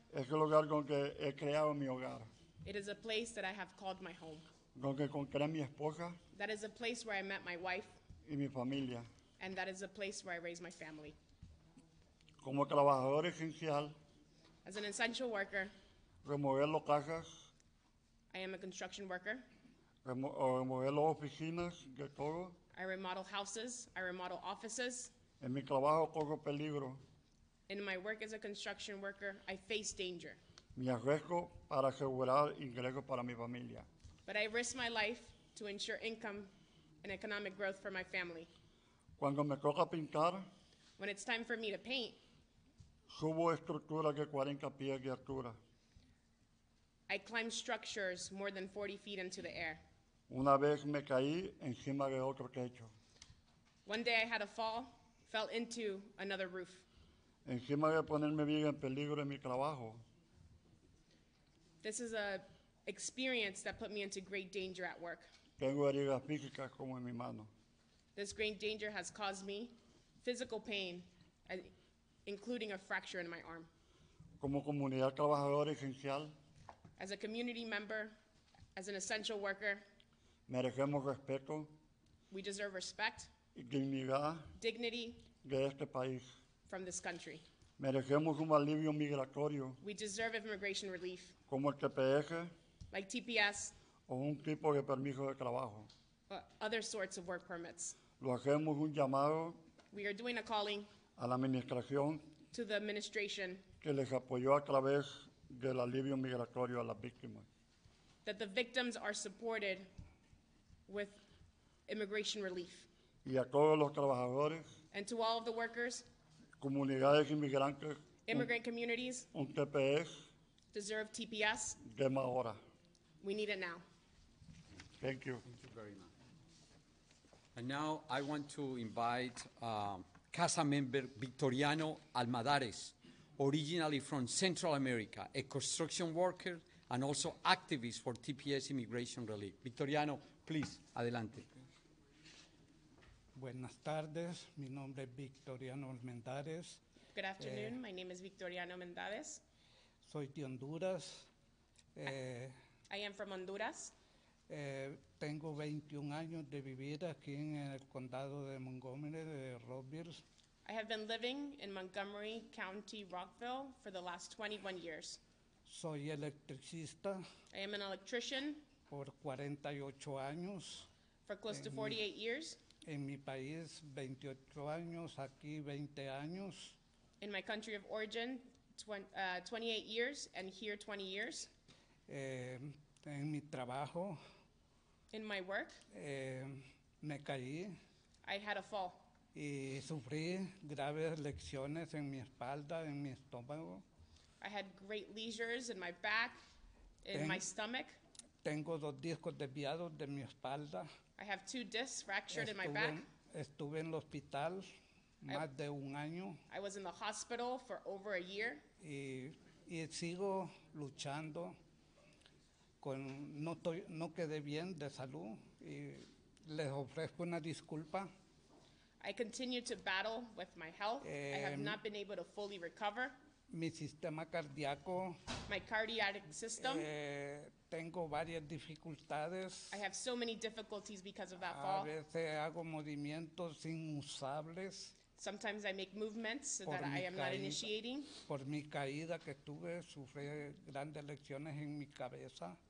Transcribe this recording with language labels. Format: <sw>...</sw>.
<es>Es el lugar donde he creado mi hogar.</es> <en>It is a place that I have called my home.</en> <es>Donde encontré mi esposa.</es> <en>That is a place where I met my wife.</en> <es>Y mi familia.</es> <en>And that is the place where I raise my family.</en> <es>Como trabajador esencial,</es> <en>as an essential worker,</en> <es>removiendo cajas,</es> <en>I am a construction worker,</en> <es>removiendo oficinas de todo,</es> <en>I remodel houses, I remodel offices,</en> <es>en mi trabajo corro peligro,</es> <en>in my work as a construction worker, I face danger,</en> <es>me arriesgo para asegurar ingresos para mi familia,</es> <en>but I risk my life to ensure income and economic growth for my family.</en> <es>Cuando me toca pintar,</es> <en>when it's time for me to paint,</en> <es>subo estructuras de 40 pies de altura.</es> <en>I climb structures more than 40 feet into the air.</en> <es>Una vez me caí encima de otro techo.</es> <en>One day I had a fall, fell into another roof.</en> <es>Encima de ponerme bien en peligro en mi trabajo.</es> <en>This is an experience that put me into great danger at work.</en> <es>Tengo heridas físicas como en mi mano.</es> <en>This great danger has caused me physical pain, including a fracture in my arm.</en> <es>Como comunidad trabajadora esencial,</es> <en>as a community member, as an essential worker,</en> <es>merecemos respeto,</es> <en>we deserve respect,</en> <es>y dignidad,</es> <en>dignity,</en> <es>de este país,</es> <en>from this country.</en> <es>Merecemos un alivio migratorio,</es> <en>we deserve immigration relief,</en> <es>como el TPS,</es> <en>like TPS,</en> <es>o un tipo de permiso de trabajo.</es> <en>Other sorts of work permits.</en> <es>Lo hacemos un llamado.</es> <en>We are doing a calling.</en> <es>A la administración.</es> <en>To the administration.</en> <es>Que les apoyó a través del alivio migratorio a las víctimas.</es> <en>That the victims are supported with immigration relief.</en> <es>Y a todos los trabajadores.</es> <en>And to all of the workers.</en> <es>Comunidades inmigrantes.</es> <en>Immigrant communities.</en> <es>Un TPS.</es> <en>Deserve TPS.</en> <es>Demos ahora.</es> <en>We need it now. Thank you. Thank you very much. And now I want to invite CASA member Victoriano Almadares, originally from Central America, a construction worker and also activist for TPS Immigration Relief. Victoriano, please, adelante.</en> <es>Buenas tardes. Mi nombre es Victoriano Almendares.</es> <en>Good afternoon. My name is Victoriano Almendares.</en> <es>Soy de Honduras.</es> <en>I am from Honduras.</en> <es>Tengo 21 años de vivir aquí en el condado de Montgomery, de Rockville.</es> <en>I have been living in Montgomery County, Rockville, for the last 21 years.</en> <es>Soy electricista.</es> <en>I am an electrician.</en> <es>Por 48 años.</es> <en>For close to 48 years.</en> <es>En mi país, 28 años, aquí 20 años.</es> <en>In my country of origin, 28 years, and here 20 years.</en> <es>En mi trabajo.</es> <en>In my work.</en> <es>Me caí.</es> <en>I had a fall.</en> <es>Y sufrí graves lesiones en mi espalda, en mi estómago.</es> <en>I had great lesions in my back, in my stomach.</en> <es>Tengo dos discos desviados de mi espalda.</es> <en>I have two discs fractured in my back.</en> <es>Estuve en el hospital más de un año.</es> <en>I was in the hospital for over a year.</en> <es>Y sigo luchando con, no quedé bien de salud y les ofrezco una disculpa.</es> <en>I continue to battle with my health. I have not been able to fully recover.</en> <es>Mi sistema cardíaco.</es> <en>My cardiac system.</en> <es>Tengo varias dificultades.</es> <en>I have so many difficulties because of that fall.</en> <es>A veces hago movimientos inusables.</es> <en>Sometimes I make movements that I am not initiating.</en> <es>Por mi caída que tuve, sufrí grandes lesiones en mi cabeza.</es>